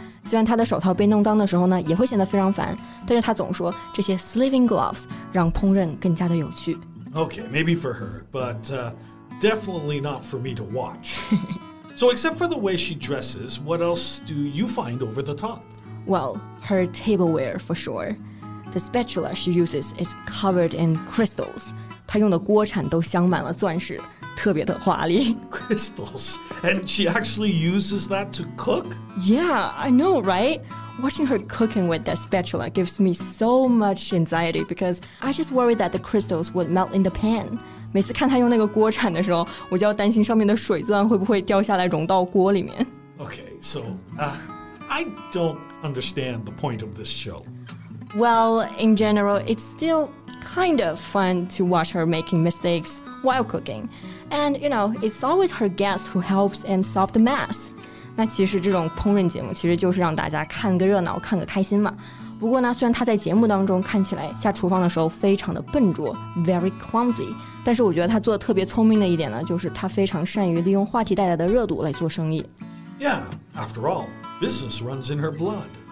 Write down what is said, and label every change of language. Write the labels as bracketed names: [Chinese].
[Chinese] 虽然她的手套被弄脏的时候呢，也会显得非常烦，但是她总说这些 sliving gloves 让烹饪更加的有趣。 [English] Okay, maybe for her, but definitely not for me to watch. So except for the way she dresses, what else do you find over the top? Well, her tableware, for sure. The spatula she uses is covered in crystals. [Chinese] 她用的锅铲都镶满了钻石,特别的华丽。 [English] Crystals? And she actually uses that to cook? Yeah, I know, right? Watching her cooking with that spatula gives me so much anxiety because I just worry that the crystals would melt in the pan. [Chinese] 每次看他用那个锅铲的时候，我就要担心上面的水钻会不会掉下来融到锅里面。 [English] Okay, so, I don't understand the point of this show. Well, in general, it's still kind of fun to watch her making mistakes while cooking. And, you know, it's always her guest who helps and solve the mess. [Chinese] 那其实这种烹饪节目其实就是让大家看个热闹，看个开心嘛。不过呢，虽然她在节目当中看起来下厨房的时候非常的笨拙 ， [English] very clumsy， [Chinese] 但是我觉得她做的特别聪明的一点呢，就是她非常善于利用话题带来的热度来做生意。 [English] Yeah, after all, business runs in her blood.